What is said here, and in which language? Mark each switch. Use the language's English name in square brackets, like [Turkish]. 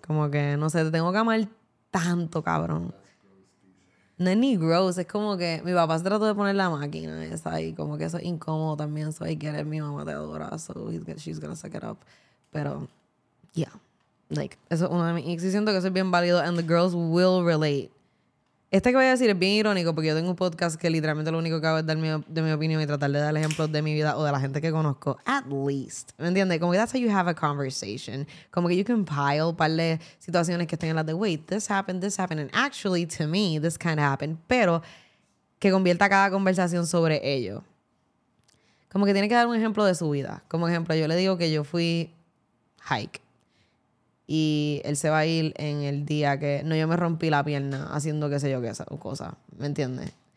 [Spanish] Como que, no sé, te tengo que amar tanto, cabrón. No es ni gross, es como que mi papá se trató de poner la máquina esa y como que eso es incómodo también, [English] so I get it, [Spanish] mi mamá te adora, [English] so she's gonna suck it up. [Spanish] Pero, yeah. Like, eso es uno de mis ex. Y siento que eso es bien válido. [English] And the girls will relate. [Spanish] Este que voy a decir es bien irónico porque yo tengo un podcast que literalmente lo único que hago es dar mi opinión y tratar de dar ejemplos de mi vida o de la gente que conozco. [English] At least. [Spanish] ¿Me entiendes? [English] Como que that's how you have a conversation. Como que you can pile [Spanish] un par de situaciones que estén en las de, [English] wait, this happened. And actually, to me, this kind of happened. [Spanish] Pero que convierta cada conversación sobre ello. Como que tiene que dar un ejemplo de su vida. Como ejemplo, yo le digo que yo fui hike. Y él se va a ir en el día que... No, yo me rompí la pierna haciendo qué sé yo qué cosa. ¿Me entiendes?